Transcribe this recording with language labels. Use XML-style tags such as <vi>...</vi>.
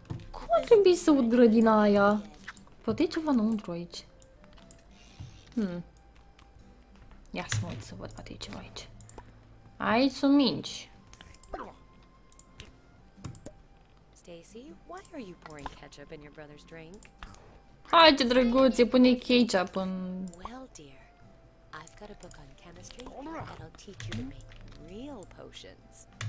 <ro>Cum ar trebui să ud grădina aia? Poate e ceva înăuntru aici. Ia să mă uit să văd, poate e ceva aici. Aici sunt mingi.</ro> <en>Stacy, why are you pouring ketchup in your brother's drink?</en> <ro>Hai, ce drăguț, îi pune ketchup în...</ro> <en>Well, dear, I've got a book on chemistry that'll teach you to make real potions.</en>